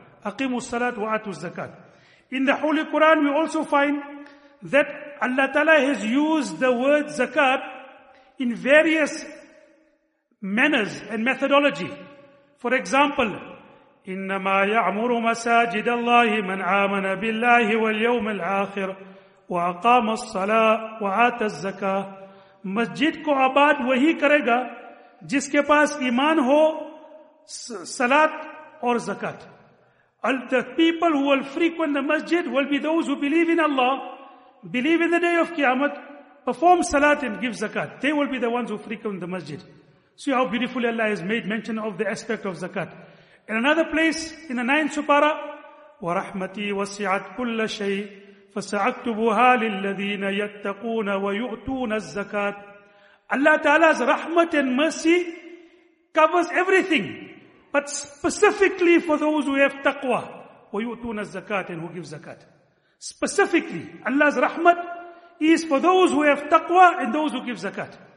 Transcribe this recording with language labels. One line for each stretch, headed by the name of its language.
Arabic: Aqimu salat wa atu zakat.
English: In the Holy Quran we also find that Allah Ta'ala has used the word zakat in various manners and methodology. For example,
Arabic: innama ya'muru masajid Allahi man amana billahi wal yawm al-akhir وأقام الصلاة وآت الزكاة.
Urdu: مسجد کو آباد وہی کرے گا جس کے پاس ایمان ہو صلاة اور زکاة.
English: The people who will frequent the masjid will be those who believe in Allah, believe in the day of Qiyamah, perform salat and give zakat. They will be the ones who frequent the masjid. See how beautifully Allah has made mention of the aspect of zakat. In another place, in the 9th surah,
Arabic: وَرَحْمَتِي وَسِعَتْ كُلَّ شَيْءٍ فَسَعَكْتُبُهَا لِلَّذِينَ يَتَّقُونَ وَيُؤْتُونَ الزَّكَاةِ.
English: Allah Ta'ala's rahmat and mercy covers everything, but specifically for those who have taqwa,
Arabic: وَيُؤْتُونَ الزَّكَاةِ,
English: and who give zakat. Specifically, Allah's rahmat is for those who have taqwa and those who give zakat.